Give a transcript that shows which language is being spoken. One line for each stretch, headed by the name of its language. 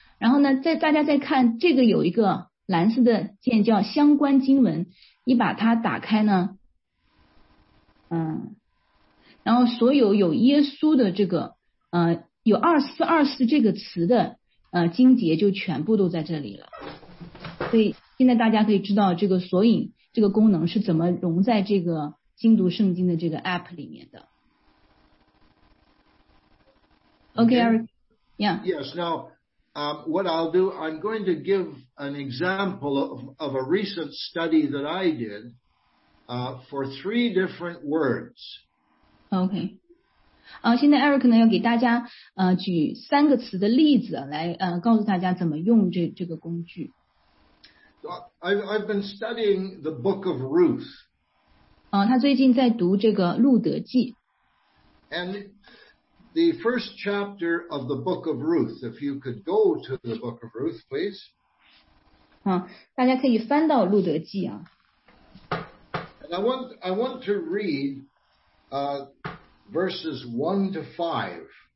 Chinese: 然后呢，在大家再看这个有一个蓝色的键叫相关经文，你把它打开呢，然后所有耶稣的这个有2424这个词的经节就全部都在这里了。所以现在大家可以知道这个索引这个功能是怎么融在这个精读圣经的这个 app 里面的。
English: Yes, now, what I'll do, I'm going to give an example of a recent study that I did for three different words. Okay.
Chinese: 现在 Eric 呢要给大家举三个词的例子来告诉大家怎么用这个工具。
English: I've been studying the book of Ruth.
Chinese: 他最近在读这个路德记。
English: And the first chapter of the book of Ruth, if you could go to the book of Ruth, please.
Chinese: 大家可以翻到路德记啊。
English: And I want to read verses 1 to 5.